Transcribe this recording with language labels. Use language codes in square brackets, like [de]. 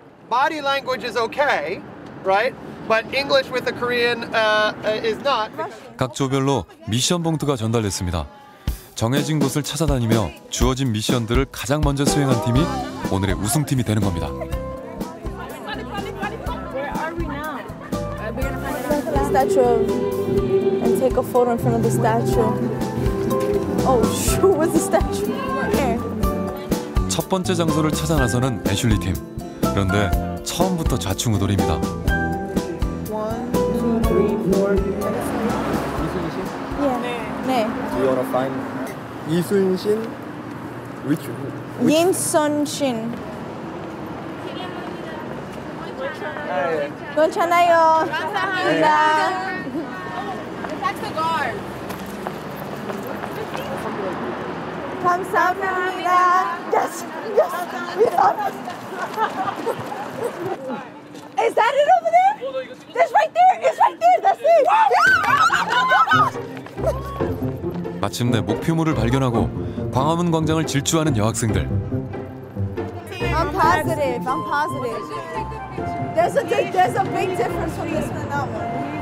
[en] Body language is okay, right? But English with the Korean is not. [ko] 각 조별로 미션 봉투가 전달됐습니다. 정해진 곳을 찾아다니며 주어진 미션들을 가장 먼저 수행한 팀이 오늘의 우승팀이 되는 겁니다. [en] Where are we now? We're gonna find out. The statue of, and take a photo in front of the statue. Oh, shoot, where's the statue? Here. [ko] 첫 번째 장소를 찾아 나서는 애슐리 팀. 그런데 처음부터 좌충우돌입니다. [en] 1, 2, 3, 4, 5, 6. Yeah. [ko] 네. [en] Do you wanna find 이순신? Which? [ko] 인선신. 괜찮아요. 감사합니다. 감사합니다. [en] Yes, yes. Is that it over there? That's right there. It's right there. That's it. [ko] 마침내 목표물을 발견하고 광화문 광장을 질주하는 여학생들. [en] I'm positive. I'm positive. There's a big difference from this one and that one.